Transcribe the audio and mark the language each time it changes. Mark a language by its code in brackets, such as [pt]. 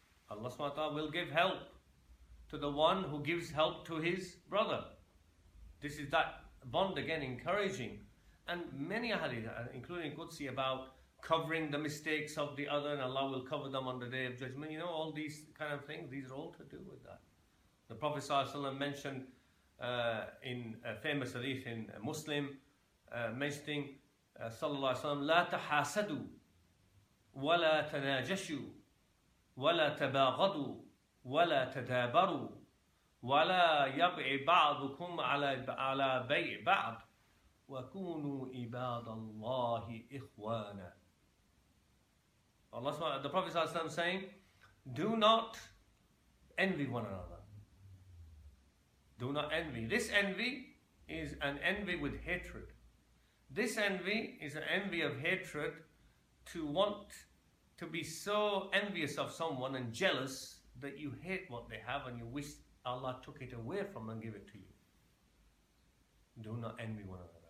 [en] Allah subhanahu wa ta'ala will give help to the one who gives help to his brother. This is that bond again, encouraging. And many hadith, including Qudsi, about covering the mistakes of the other and Allah will cover them on the day of judgment. You know, all these kind of things, these are all to do with that. The Prophet sallallahu alaihi wasallam mentioned in a famous hadith in Muslim, mentioning sallallahu alaihi wasallam, [ar] لا تحاسدوا ولا تناجشوا ولا تباغضوا ولا تدابروا ولا يبع بعضكم على بيع بعض وكونوا عباد الله إخوانا. [en] Allah, the Prophet ﷺ is saying, do not envy one another. Do not envy. This envy is an envy with hatred. This envy is an envy of hatred, to want to be so envious of someone and jealous that you hate what they have and you wish Allah took it away from them and give it to you. Do not envy one another.